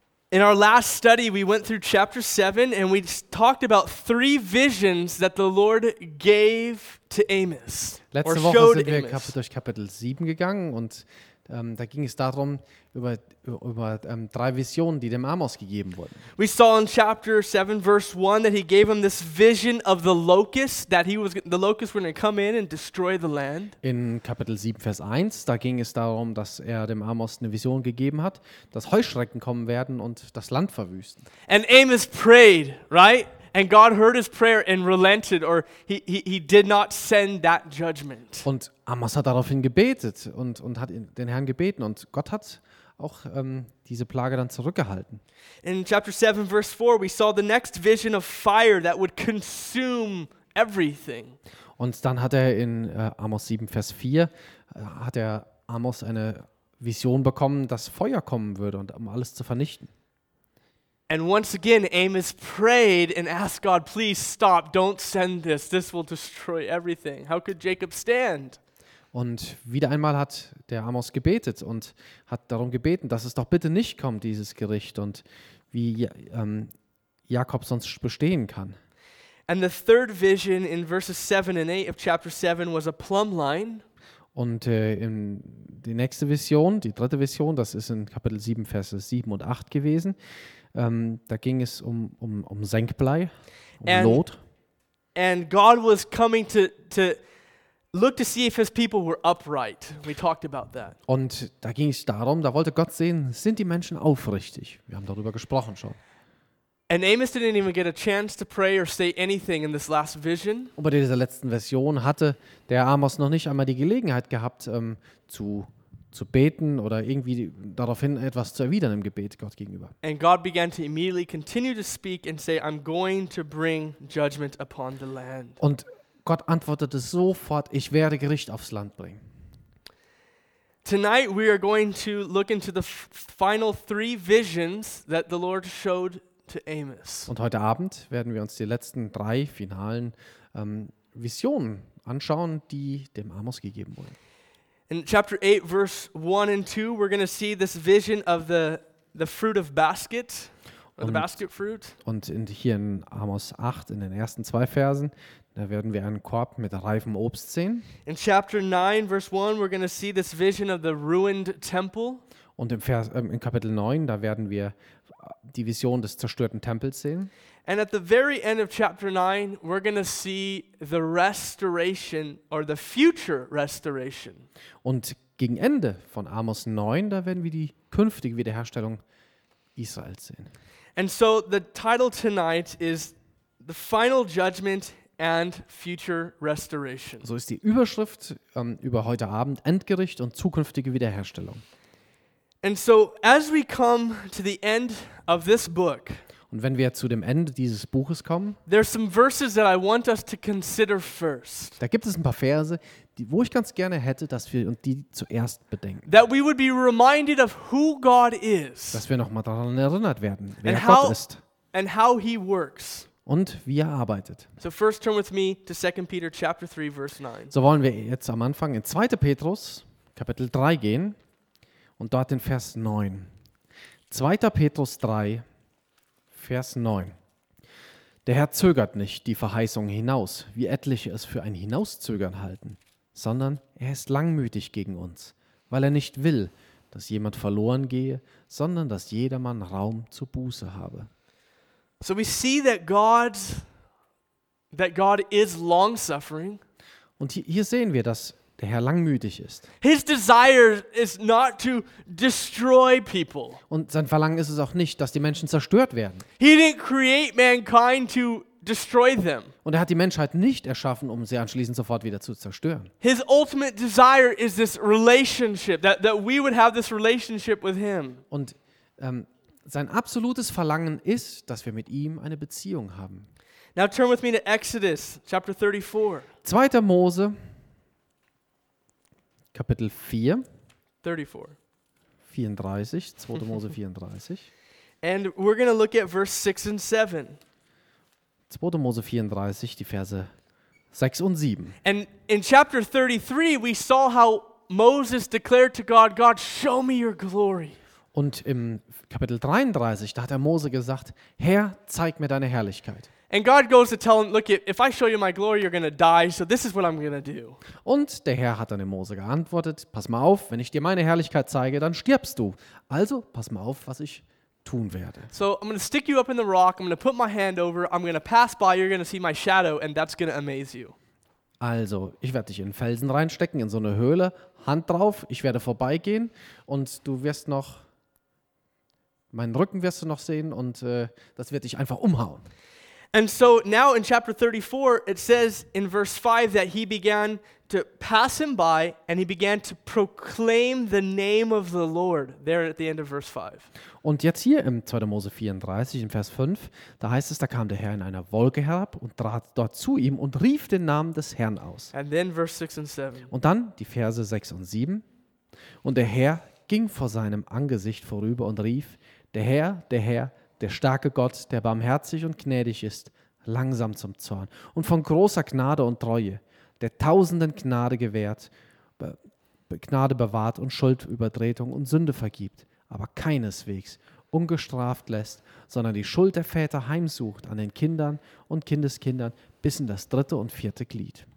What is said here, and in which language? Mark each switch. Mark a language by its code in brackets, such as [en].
[en] In our last study, we went through chapter 7 and we talked about three visions that the Lord gave to Amos. [de] Letzte Woche sind wir durch Kapitel 7 gegangen und da ging es darum, über drei Visionen, die dem Amos gegeben wurden. [en] We saw in chapter 7, verse 1, that he gave him this vision of the locusts, that the locusts were going to come in and destroy the land. [de] In Kapitel 7, Vers 1, da ging es darum, dass er dem Amos eine Vision gegeben hat, dass Heuschrecken kommen werden und das Land verwüsten. [en] And Amos prayed, right? And God heard his prayer and relented, or he did not send that judgment. [de] Und Amos hat daraufhin gebetet und hat den Herrn gebeten und Gott hat auch diese Plage dann zurückgehalten. [en] In chapter 7 verse 4 we saw the next vision of fire that would consume everything. [de] Und dann hat er in Amos 7 Vers 4 hat er Amos eine Vision bekommen, dass Feuer kommen würde und um alles zu vernichten. [en] And once again, Amos prayed and asked God, please stop, don't send this, this will destroy everything. How could Jacob stand? [de] Und wieder einmal hat der Amos gebetet und hat darum gebeten, dass es doch bitte nicht kommt, dieses Gericht, und wie Jakob sonst bestehen kann. [en] And the third vision in verses 7 and 8 of chapter 7 was a plumb line. [de] Und die nächste Vision, die dritte Vision, das ist in Kapitel 7, Verse 7 und 8 gewesen. Da ging es um Senkblei, Lot. [en] And God was coming to look to see if his people were upright. We talked about that. [de] Und da ging es darum, da wollte Gott sehen, sind die Menschen aufrichtig? Wir haben darüber gesprochen schon. [en] And Amos didn't even get a chance to pray or say anything in this last vision. [de] Und bei dieser letzten Vision hatte der Amos noch nicht einmal die Gelegenheit gehabt, zu beten oder irgendwie daraufhin etwas zu erwidern im Gebet Gott gegenüber. [en] And God began to immediately continue to speak and say, I'm going to bring judgment upon the land. [de] Und Gott antwortete sofort, ich werde Gericht aufs Land bringen. [en] Tonight we are going to look into the final three visions that the Lord showed to Amos. [de] Und heute Abend werden wir uns die letzten drei finalen Visionen anschauen, die dem Amos gegeben wurden. [en] In chapter 8 verse 1 and 2 we're going to see this vision of the fruit of basket. [de] Und, [en] basket fruit. [de] Und in, hier in Amos 8, in den ersten zwei Versen, da werden wir einen Korb mit reifem Obst sehen. [en] In chapter 9, verse 1, we're going to see this vision of the ruined temple. [de] Und im Vers, in Kapitel 9, da werden wir die Vision des zerstörten Tempels sehen. [en] And at the very end of chapter 9, we're going to see the restoration or the future restoration. [de] Und gegen Ende von Amos 9, da werden wir die künftige Wiederherstellung Israels sehen. [en] And so the title tonight is The Final Judgment and Future Restoration. [de] So ist die Überschrift über heute Abend Endgericht und zukünftige Wiederherstellung. [en] And so as we come to the end of this book. [de] Und wenn wir zu dem Ende dieses Buches kommen. [en] There are some verses that I want us to consider first. [de] Da gibt es ein paar Verse, die wo ich ganz gerne hätte, dass wir und die zuerst bedenken. [en] That we would be reminded of who God is. [de] Dass wir nochmal daran erinnert werden, wer and Gott ist. [en] And how he works. [de] Und wie er arbeitet. [en] So first turn with me to 2 Peter chapter 3 verse 9. [de] So wollen wir jetzt am Anfang in 2. Petrus Kapitel 3 gehen und dort in Vers 9. 2. Petrus 3 Vers 9. Der Herr zögert nicht die Verheißung hinaus, wie etliche es für ein Hinauszögern halten, sondern er ist langmütig gegen uns, weil er nicht will, dass jemand verloren gehe, sondern dass jedermann Raum zur Buße habe. [en] So we see that God is long suffering. [de] Und hier sehen wir, dass der Herr langmütig ist. [en] His desire is not to destroy people. [de] Und sein Verlangen ist es auch nicht, dass die Menschen zerstört werden. [en] He didn't create mankind to destroy them. [de] Und er hat die Menschheit nicht erschaffen, um sie anschließend sofort wieder zu zerstören. [en] His ultimate desire is this relationship that we would have this relationship with him. [de] Und sein absolutes Verlangen ist, dass wir mit ihm eine Beziehung haben. [en] Now turn with me to Exodus chapter 34. [de] 2. Mose Kapitel 4. 34. 34, 2. Mose 34. [en] And we're going to look at verse 6 and 7. [de] 2. Mose 34, die Verse 6 und 7. [en] And in chapter 33 we saw how Moses declared to God, God, show me your glory. [de] Und im Kapitel 33, da hat er Mose gesagt, Herr, zeig mir deine Herrlichkeit. [en] And God goes to tell him, look, if I show you my glory, you're going to die, so this is what I'm going to do. [de] Und der Herr hat dann dem Mose geantwortet, pass mal auf, wenn ich dir meine Herrlichkeit zeige, dann stirbst du. Also, pass mal auf, was ich tun werde. [en] So, I'm going to stick you up in the rock, I'm going to put my hand over, I'm going to pass by, you're going to see my shadow, and that's going to amaze you. [de] Also, ich werde dich in Felsen reinstecken, in so eine Höhle, Hand drauf, ich werde vorbeigehen, und du wirst noch, meinen Rücken wirst du noch sehen, und das wird dich einfach umhauen. [en] And so now in chapter 34, it says in verse 5 that he began to pass him by and he began to proclaim the name of the Lord there at the end of verse 5. [de] Und jetzt hier im 2. Mose 34, in Vers 5, da heißt es, da kam der Herr in einer Wolke herab und trat dort zu ihm und rief den Namen des Herrn aus. [en] And then verse 6 and 7. [de] Und dann die Verse 6 und 7. Und der Herr ging vor seinem Angesicht vorüber und rief, der Herr, der Herr, der starke Gott, der barmherzig und gnädig ist, langsam zum Zorn und von großer Gnade und Treue, der tausenden Gnade gewährt, Gnade bewahrt und Schuld, Übertretung und Sünde vergibt, aber keineswegs ungestraft lässt, sondern die Schuld der Väter heimsucht an den Kindern und Kindeskindern bis in das dritte und vierte Glied.